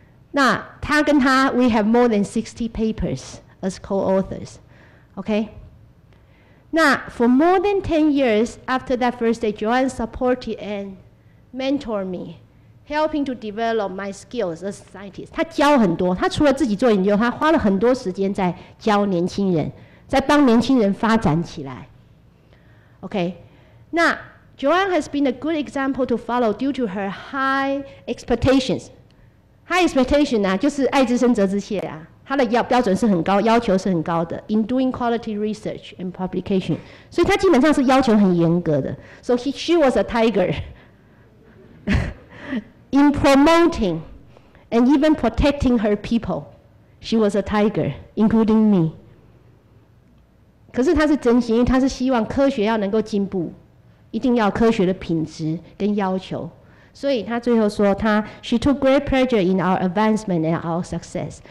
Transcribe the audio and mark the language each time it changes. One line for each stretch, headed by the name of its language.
Chinese: 那他跟他
English: ，we have more than 60 papers as co-authors。 OK。那 for more than 10 years after that first day, Joanne supported and mentored me, helping to develop my skills as a scientist.
Chinese: 他教很多，他除了自己做研究，他花了很多时间在教年轻人，在帮年轻人发展起来。
English: OK, 那 Joanne has been a good example to follow due to her high expectations. High expectation
Chinese: 啊，就是爱之深责之切啊。他的标准是很高，要求是很高的。
English: In doing quality research and publication,
Chinese: 所以他基本上是要求很严格的。
English: So she was a tiger in promoting and even protecting her people. She was a tiger, including me.
Chinese: 可是他是真心，因为他是希望科学要能够进步，一定要科学的品质跟要求。所以他最后说他
English: She took great pleasure in our advancement and our success.